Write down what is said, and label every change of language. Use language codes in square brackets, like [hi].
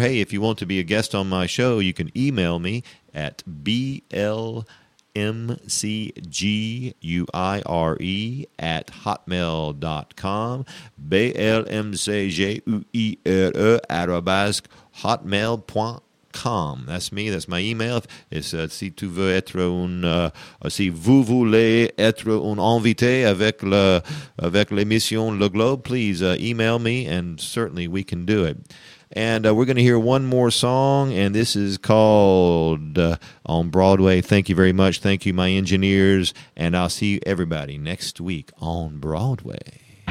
[en] Hey, if you want to be a guest on my show, you can email me at blmcguire@hotmail.com, blmcguire@hotmail.com. That's me. That's my email. It's [fr] si tu veux être un si vous voulez être un invité avec l'émission Le Globe, [en] please email me, and certainly we can do it. And we're going to hear one more song, and this is called On Broadway. Thank you very much. Thank you, my engineers. And I'll see everybody next week on Broadway.